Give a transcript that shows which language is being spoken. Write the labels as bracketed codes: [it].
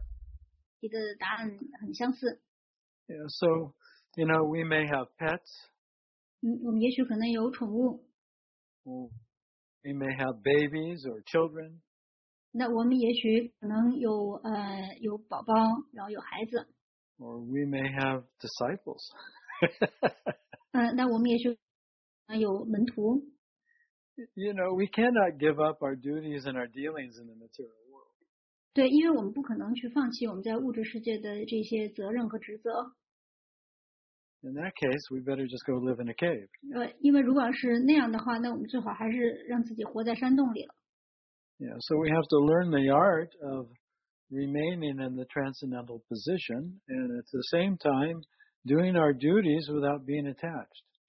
[zh] 那这个呢，是对于刚才我给丹娜凯莉回答哈的那个问题的答案很相似。 [en] Yeah, so, you know, we may have pets. [zh] 我们也许可能有宠物。 [en] We may have babies or children. [zh] 那我们也许可能有宝宝，然后有孩子。 [en] Or we may have disciples. [zh] 那我们也许有门徒。 [en] You know, we cannot give up our duties and our dealings in the material world. [zh] 对, 因为我们不可能去放弃我们在物质世界的这些责任和职责。 [en] In that case, we better just go live in a cave. [zh] 因为如果是那样的话, 那我们最好还是让自己活在山洞里了。 [en] Yeah, so we have to learn the art of remaining in the transcendental position and at the same time doing our duties without being attached.